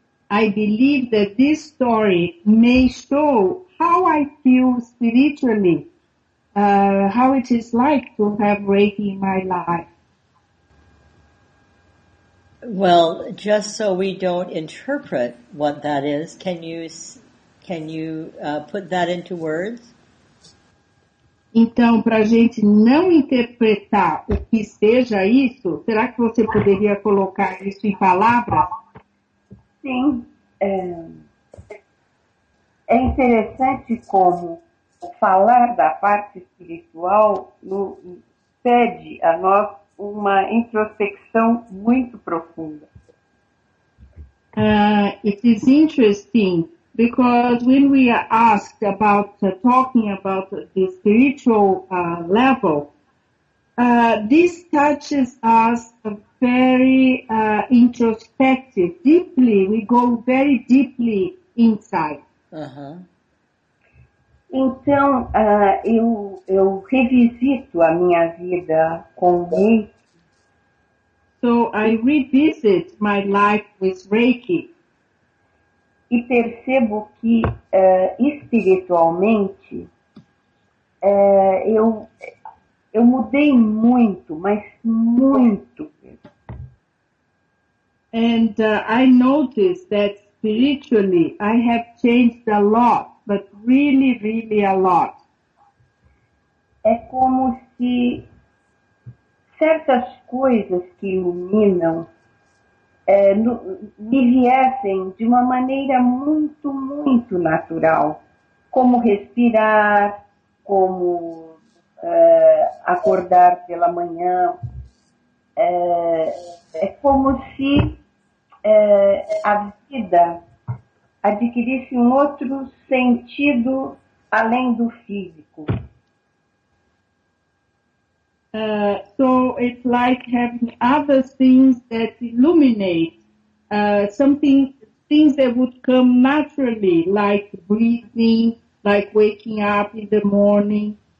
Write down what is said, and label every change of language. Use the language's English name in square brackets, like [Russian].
[English] I believe that this story may show how I feel spiritually how it is like to have Reiki in my life. Well, just so we don't interpret what that is, can you put that into words? [Portuguese] Então, para a gente não interpretar o que seja isso, será que você poderia colocar isso em palavras? Sim. É interessante como falar da parte espiritual pede a nós uma introspecção muito profunda. [English] It is interesting. Because when we are asked about talking about the spiritual level, this touches us very introspective, deeply. We go very deeply inside. Uh-huh. [Portuguese] Então, eu revisito a minha vida com Reiki. [English] So I revisit my life with Reiki. [Portuguese] E percebo que espiritualmente eu mudei muito, mas muito. [English] And I noticed that spiritually I have changed a lot, but really, really a lot. [Portuguese] É como se certas coisas que iluminam me viessem de uma maneira muito, muito natural. Como respirar, como acordar pela manhã. É como se a vida adquirisse um outro sentido além do físico. [English] So it's like having other things that illuminate, things that would come naturally, like breathing, like waking up in the morning.